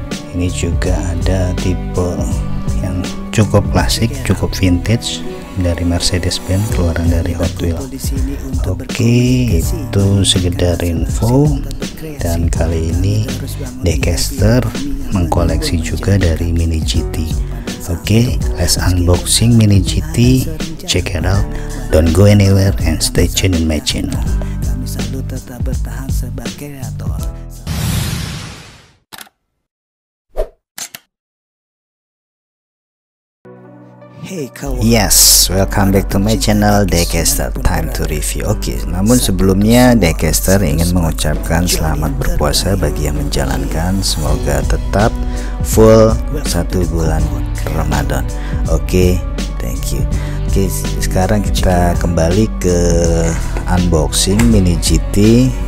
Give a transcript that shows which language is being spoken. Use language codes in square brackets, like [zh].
[id] Ini juga ada tipe yang cukup klasik, cukup vintage dari Mercedes-Benz, keluaran dari Hot Wheels. Oke, itu sekedar info. Dan kali ini Diecaster mengkoleksi juga dari Mini GT. [en] Oke, let's unboxing Mini GT. Check it out. Don't go anywhere and stay tuned in my channel. [id] Kami selalu tetap bertahan sebagai kreator. Hey, kawan. [en] Yes, welcome back to my channel Diecaster. Time to review. [id] Okay, namun sebelumnya Diecaster ingin mengucapkan selamat berpuasa bagi yang menjalankan. Semoga tetap full 1 bulan Ramadan. [en] Okay, thank you. [id] Oke, sekarang kita kembali ke unboxing Mini GT.